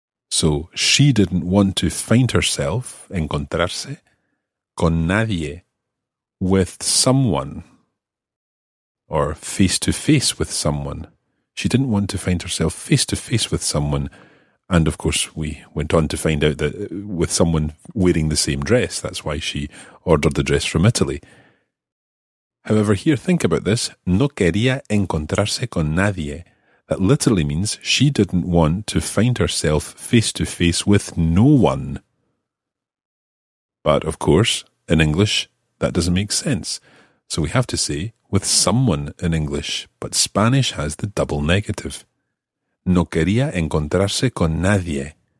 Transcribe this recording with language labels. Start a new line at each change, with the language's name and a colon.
English: So she didn't want to find herself,
Spanish: encontrarse, con nadie,
English: with someone, or face to face with someone. She didn't want to find herself face to face with someone. And of course, we went on to find out that with someone wearing the same dress, that's why she ordered the dress from Italy. However, here, think about this.
Spanish: No quería encontrarse con nadie.
English: That literally means she didn't want to find herself face to face with no one. But of course, in English, that doesn't make sense. So we have to say with someone in English, but Spanish has the double negative.
Spanish: No quería encontrarse con nadie.